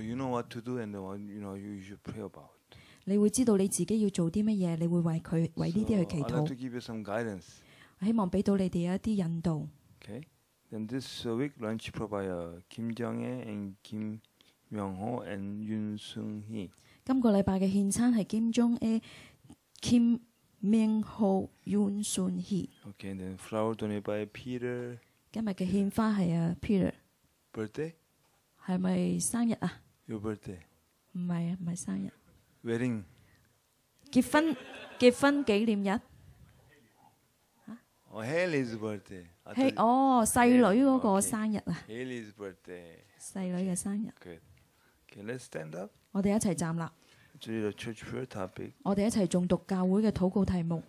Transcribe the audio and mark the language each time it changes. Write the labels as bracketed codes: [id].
[en] you know what to do and what you know you should pray about. [yue] 你會知道你自己要做啲乜嘢，你會為呢啲去祈禱。 [en] So I'd like to give you some guidance. [yue] 我希望俾到你哋一啲引導。 [en] Okay. And this week lunch provided Kim Jong-hae and Kim Myung-ho and Yoon Sung-hee. [yue] 今個禮拜嘅獻餐係 Kim Jong-hae, Kim Myung-ho, Yoon Sung-hee. [en] Okay, and then flower donated by Peter. [yue] 今日嘅獻花係 Peter. [en] Birthday? [yue] 係咪生日啊？ [en] Your birthday? [yue] 唔係啊，唔係生日。 [en] Wedding? [yue] 結婚紀念日。 [en] Haley's birthday. Hey, [yue] 아, 어, 細女嗰個 okay. 生日啊. [en] Haley's birthday. [yue] 細女嘅生日. [en] Okay. Good. Okay, let's stand up. [yue] 我哋一齊站啦. [en] Today the church prayer topic. [yue] 我哋一齊誦讀教會嘅禱告題目.